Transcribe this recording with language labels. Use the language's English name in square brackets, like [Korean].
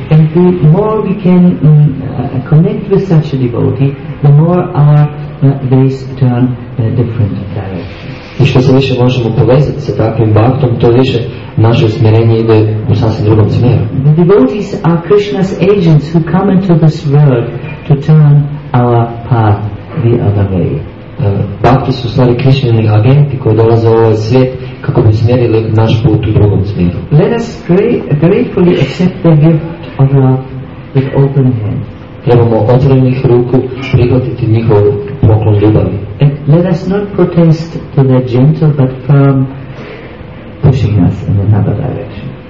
[English] And the more we can connect with such a devotee, the more our ways turn in a different direction. [Croatian] I što se više možemo povezati sa takvim baktom, to više naše usmjerenje ide u sasvim drugom smjeru. [English] The devotees are Krishna's agents who come into this world to turn our path the other way. [Croatian] Bhakti su stvari Krišnjini agenti koji dolaze u ovaj svijet kako bi smjerili naš put u drugom smjeru. [English] Let us gratefully accept the gift of love with open hands. [Croatian] Trebamo otvorenih ruku prihvatiti njihov poklon ljubavi. [English] And let us not protest to the gentle but firm pushing us in another direction.